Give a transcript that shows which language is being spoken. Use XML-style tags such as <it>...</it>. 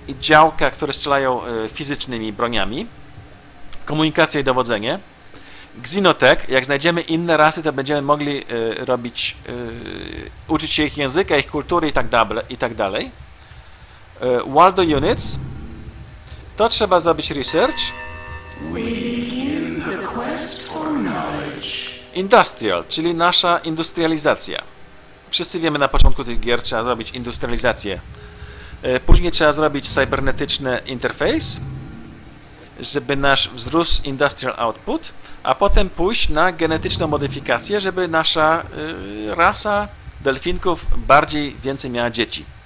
<pl>I działka, które strzelają fizycznymi broniami. Komunikacja i dowodzenie. Xenotech. Jak znajdziemy inne rasy, to będziemy mogli robić, uczyć się ich języka, ich kultury i tak dalej. Waldo Units. To trzeba zrobić research.</pl> <en>We begin the quest for knowledge.</en> <pl>Industrial, czyli nasza industrializacja. Wszyscy wiemy, na początku tych gier trzeba zrobić industrializację. Później trzeba zrobić cybernetyczny interface, żeby nasz wzrósł industrial output, a potem pójść na genetyczną modyfikację, żeby nasza rasa delfinków bardziej, więcej miała dzieci.</pl>